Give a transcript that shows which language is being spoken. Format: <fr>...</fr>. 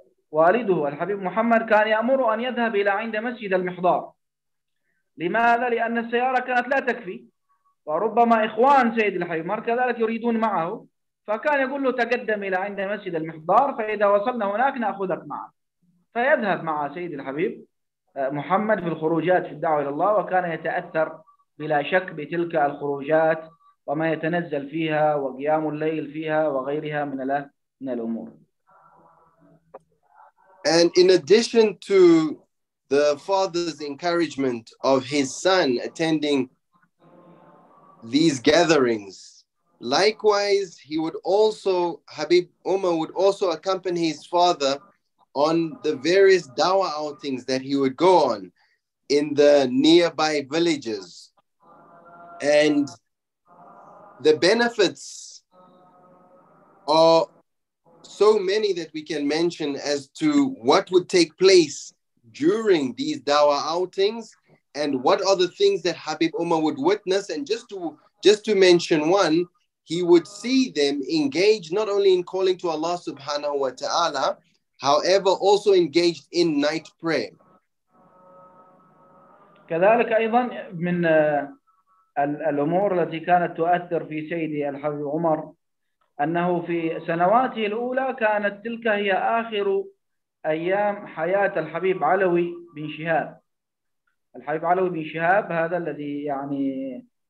<ar>والده الحبيب محمد كان يأمر أن يذهب إلى عند مسجد المحضار لماذا؟ لأن السيارة كانت لا تكفي وربما إخوان سيد الحبيب عمر كذلك يريدون معه فكان يقول له تقدم إلى عند مسجد المحضار فإذا وصلنا هناك نأخذك معه فيذهب مع سيد الحبيب محمد في الخروجات في الدعوة إلى الله وكان يتأثر بلا شك بتلك الخروجات وما يتنزل فيها وقيام الليل فيها وغيرها من الأمور.</ar> <en>And in addition to the father's encouragement of his son attending these gatherings, likewise he would also, Ḥabīb Umar would also accompany his father on the various dawah outings that he would go on in the nearby villages. And the benefits are so many that we can mention as to what would take place during these dawah outings and what are the things that Ḥabīb Umar would witness. And just to mention one, he would see them engage not only in calling to Allah subhanahu wa ta'ala, however, also engaged in night prayer.</en> <ar>كذلك أيضا من الأمور التي كانت تؤثر في سيدي الحبيب عمر أنه في سنواته الأولى كانت تلك هي آخر أيام حياة الحبيب علوي بن شهاب. الحبيب علوي بن شهاب هذا الذي يعني</ar>